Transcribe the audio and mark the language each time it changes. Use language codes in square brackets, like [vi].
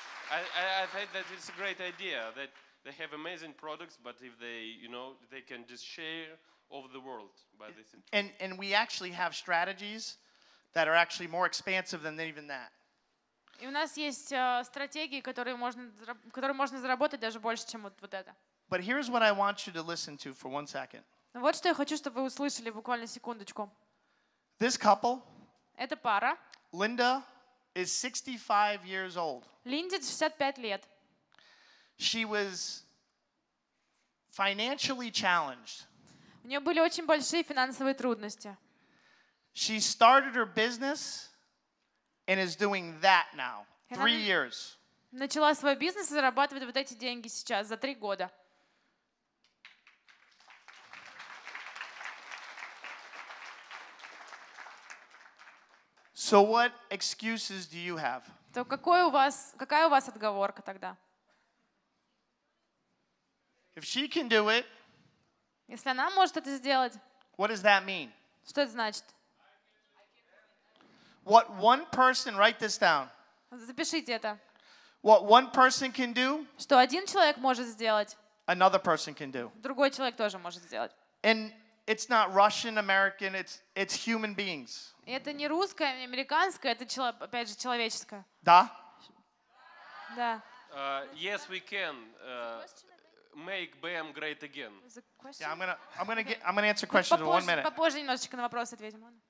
[en] I think that it's a great idea that they have amazing products, but if they, you know, they can just share over the world by this interest. And we actually have strategies that are actually more expansive than even that. [ru] И у нас есть стратегии, которые можно заработать даже больше, чем вот это. [en] But here's what I want you to listen to for one second. [ru] Вот что я хочу, чтобы вы услышали буквально секундочку. [en] This couple. [ru] Эта пара. [en] Linda is 65 years old. [ru] Линде 65 лет. [en] She was financially challenged. [ru] У нее были очень большие финансовые трудности. [en] She started her business and is doing that now. Three years. [ru] Начала свой бизнес и зарабатывает вот эти деньги сейчас за три года. [en] So what excuses do you have? [ru] То какой у вас, какая у вас отговорка тогда? [en] If she can do it, [ru] если она может это сделать, [en] what does that mean? [ru] Что это значит? [en] What one person, write this down. [ru] Запишите это. [en] What one person can do, [ru] что один человек может сделать, [en] another person can do. [ru] Другой человек тоже может сделать. [en] And it's not Russian, American, it's human beings. [ru] Это не русское, не американское, это опять же человеческое. Да? Да. [en] Yes, we can. Make BM great again. Yeah, I'm gonna answer questions in 1 minute. [ru] Попозже немножечко на вопрос ответим.